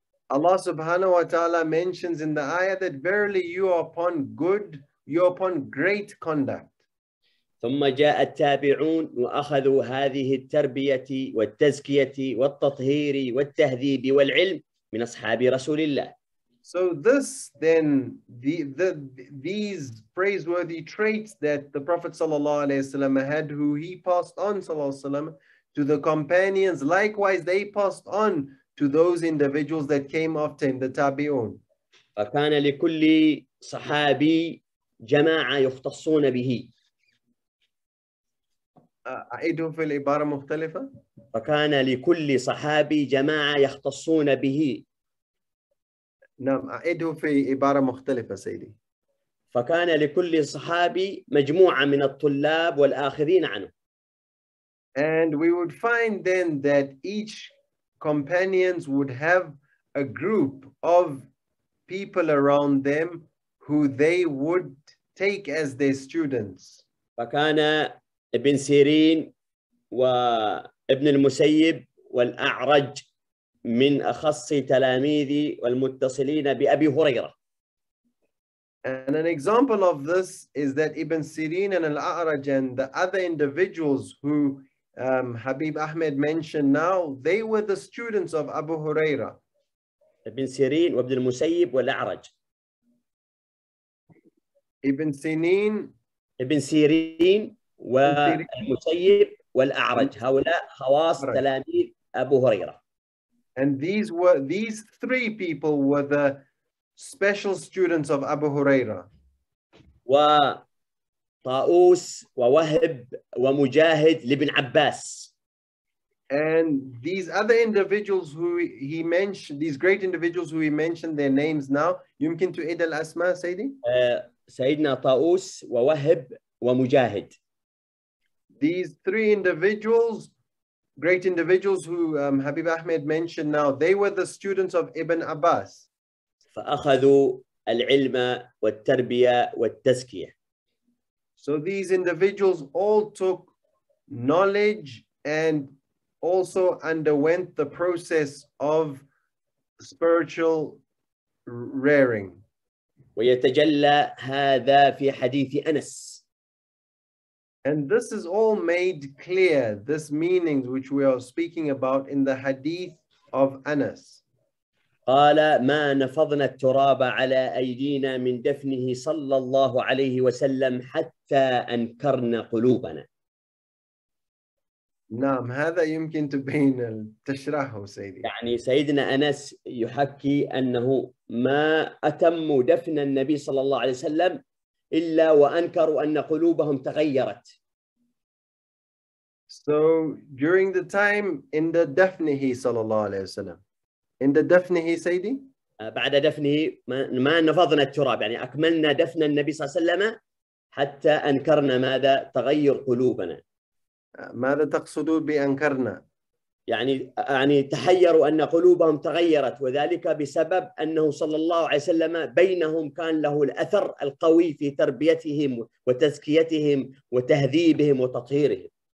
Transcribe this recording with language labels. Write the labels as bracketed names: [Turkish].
[English] Allah subhanahu wa ta'ala mentions in the ayah that verily you're upon great conduct. [Arabic] ثم جاء التابعون وأخذوا هذه التربية والتزكية والتطهير والتهذيب والعلم من أصحاب رسول الله. [English] So this then, these praiseworthy traits that the Prophet صلى الله عليه وسلم had, who he passed on صلى الله عليه وسلم to the companions, likewise they passed on to those individuals that came after him, the تابعون. [Arabic] فكان لكل صحابي جماعة يختصون به. أعيده في العبارة مختلفة. فكان لكل صحابي جماعة يختصون به. نعم أعيده في عبارة مختلفة سيدي. فكان لكل صحابي مجموعة من الطلاب والآخذين عنه. [English] And we would find then that each companions would have a group of people around them who they would take as their students. [Arabic] فكان ابن سيرين وابن المسيب والأعرج من أخص تلاميذي والمتصلين بأبي هريرة. [English] And an example of this is that Ibn Sirin and Al-A'raj and the other individuals who Habib Ahmed mentioned now, they were the students of Abu Huraira. [Arabic] Ibn Sirin وابن المسيب والأعرج. Ibn Sinin. Ibn Sirin. والمسيب والأعرج هؤلاء خواص تلاميذ أبو هريرة. [English] And these three people were the special students of Abu Huraira. [Arabic] وطاووس ووهب ومجاهد لابن عباس. [English] And these other individuals who he mentioned, these great individuals who he mentioned their names now, [Arabic] يمكن تعيد الأسماء سيدي؟ سيدنا طاووس ووهب ومجاهد. [English] These three individuals, great individuals who Habib Ahmed mentioned now, they were the students of Ibn Abbas. [Arabic] فأخذوا العلم والتربية والتزكية. [English] So these individuals all took knowledge and also underwent the process of spiritual rearing. [Arabic] ويتجلى هذا في حديث أنس. [English] And this is all made clear, this meaning which we are speaking about in the hadith of Anas. [Arabic] قال ما نفضنا التراب على أيدينا من دفنه صلى الله عليه وسلم حتى أنكرنا قلوبنا. نعم هذا يمكن تبين التشرح سيدي. يعني سيدنا أنس يحكي أنه ما أتم دفن النبي صلى الله عليه وسلم إلا وأنكروا أن قلوبهم تغيرت. [English] So during the time in the [Arabic] دفنه صلى الله عليه وسلم, [English] in the [Arabic] دفنه سيدي. بعد دفنه ما نفضنا التراب يعني أكملنا دفن النبي صلى الله عليه وسلم حتى أنكرنا ماذا؟ تغير قلوبنا. ماذا تقصدوا بأنكرنا؟ يعني تحيروا أن قلوبهم تغيرت، وذلك بسبب أنه صلى الله عليه وسلم بينهم كان له الأثر القوي في تربيتهم وتزكيتهم وتهذيبهم وتطهيرهم.